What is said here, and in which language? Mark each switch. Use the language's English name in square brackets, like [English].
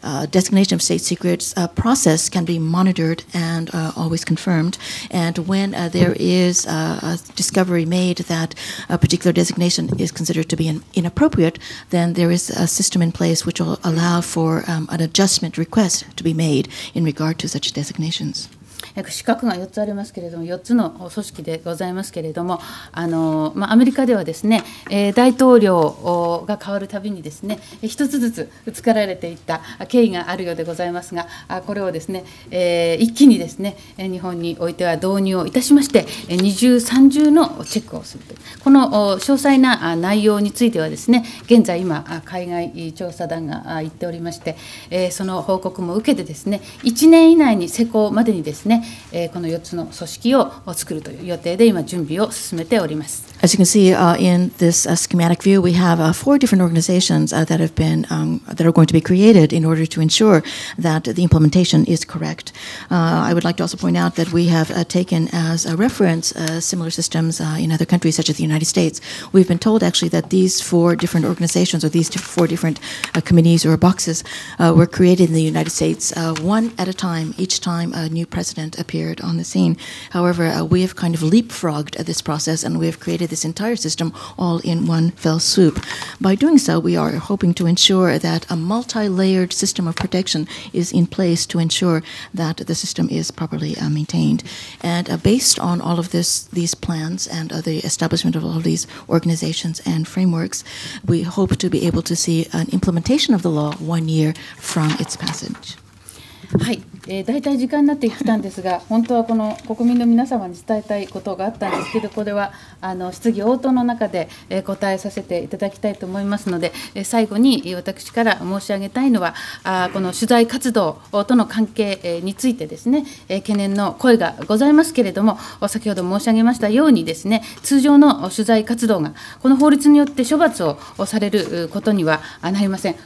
[English] designation of state secrets process can be monitored and always confirmed, and when there is a discovery made that a particular designation is considered to be inappropriate, then there is a system in place which will allow for an adjustment request to be made in regard to such designation. [Japanese] 資格が4つありますけれども、4つの組織でございますけれども、アメリカではですね、大統領が変わるたびにですね、一つずつ作られていった経緯があるようでございますが、これをですね、一気にですね、日本においては導入をいたしまして、20、30のチェックをするという、この詳細な内容についてはですね、現在、今、海外調査団が行っておりまして、その報告も受けてですね、1年以内に施行までにですね、この4つの組織を作るという予定で今準備を進めております。 [English] As you can see in this schematic view, we have four different organizations that have been that are going to be created in order to ensure that the implementation is correct. I would like to also point out that we have taken as a reference similar systems in other countries such as the United States. We've been told actually that these four different organizations or these four different committees or boxes were created in the United States one at a time, each time a new president appeared on the scene. However, we have kind of leapfrogged this process and we have created this entire system all in one fell swoop. By doing so, we are hoping to ensure that a multi-layered system of protection is in place to ensure that the system is properly maintained. And based on all of this, these plans and the establishment of all of these organizations and frameworks, we hope to be able to see an implementation of the law 1 year from its passage. [Japanese] はい、大体時間になってきたんですが、本当はこの国民の皆様に伝えたいことがあったんですけど、これは質疑応答の中で答えさせていただきたいと思いますので、最後に私から申し上げたいのは、この取材活動との関係についてですね、懸念の声がございますけれども、先ほど申し上げましたようにですね、通常の取材活動がこの法律によって処罰をされることにはなりません。